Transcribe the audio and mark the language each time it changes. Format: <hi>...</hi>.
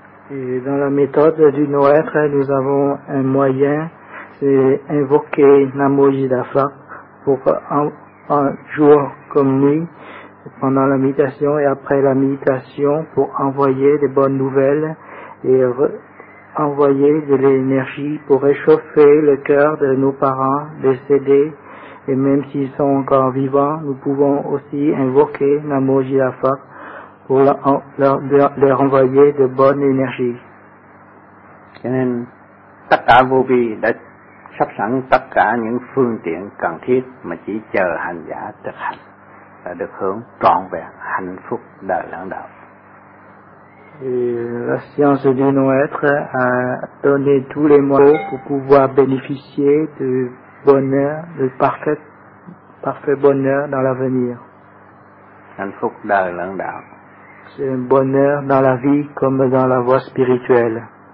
<fr>Et dans la méthode du Noître, nous avons un moyen, c'est invoquer Namo Jidafa pour un jour comme nuit, pendant la méditation et après la méditation, pour envoyer des bonnes nouvelles et envoyer de l'énergie pour réchauffer le cœur de nos parents décédés. Et même s'ils sont encore vivants, nous pouvons aussi invoquer Namo Jidafa pour leur envoyer de bonnes énergies.</fr> <vi>Cho nên, tất cả vô vi đã sắp sẵn tất cả những phương tiện cần thiết mà chỉ chờ hành giả thực hành là được hưởng trọn vẹn hạnh phúc đời lãng đạo.</vi> <fr>La science du non-être a donné tous les moyens pour pouvoir bénéficier de bonheur, le parfait bonheur dans l'avenir.</fr> <vi>Hạnh phúc đời lãng đạo.</vi> <fr>C'est un bonheur dans la vie comme dans la voie spirituelle.</fr>